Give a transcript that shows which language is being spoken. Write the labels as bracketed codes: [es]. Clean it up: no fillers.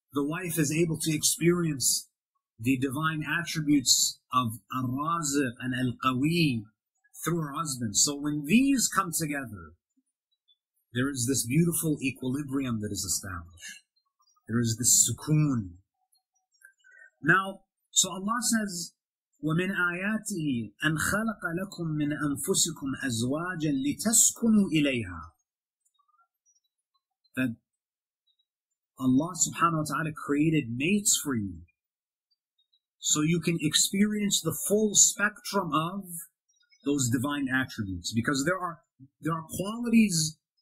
[en] The wife is able to experience the divine attributes of Ar-Raziq and Al-Qawi through her husband. So when these come together, there is this beautiful equilibrium that is established. There is this sukoon. Now, so Allah says, [ar] وَمِنْ آيَاتِهِ أَنْ خَلَقَ لَكُمْ مِنْ أَنفُسِكُمْ أَزْوَاجًا لِتَسْكُنُوا إِلَيْهَا. [en] That Allah subhanahu wa ta'ala created mates for you, so you can experience the full spectrum of those divine attributes. Because there are qualities